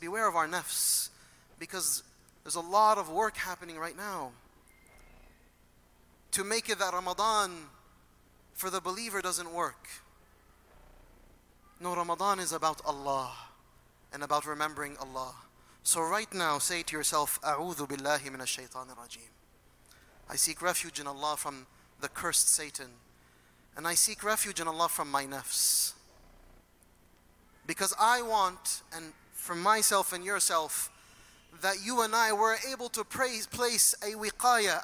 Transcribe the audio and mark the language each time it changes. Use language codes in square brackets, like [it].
[en] Beware of our nafs. Because there's a lot of work happening right now. To make it that Ramadan for the believer doesn't work. No, Ramadan is about Allah and about remembering Allah. So right now, say to yourself, [ar] أعوذ بالله من الشيطان الرجيم. [en] I seek refuge in Allah from the cursed Satan. And I seek refuge in Allah from my nafs. Because I want, and for myself and yourself, that you and I were able to place a wiqaya.